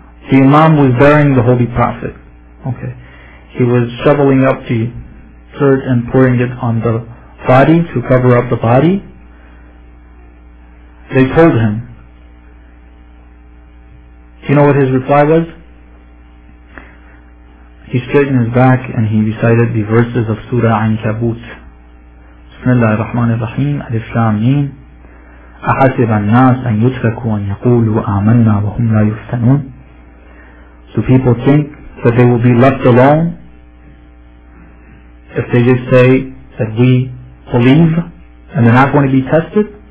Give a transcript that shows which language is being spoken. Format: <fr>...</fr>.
<en>The Imam was burying the Holy Prophet. Okay. He was shoveling up the dirt and pouring it on the body to cover up the body. They told him. Do you know what his reply was? He straightened his back and he recited the verses of Surah An-Kabut. Bismillah ar-Rahman ar-Rahim, Alif Lam Mim.</en> <ar>أحسب الناس أن يتركوا أن يقولوا آمنا وهم لا يفتنون.</ar> <en>Do people think that they will be left alone if they just say that we believe and they're not going to be tested?</en>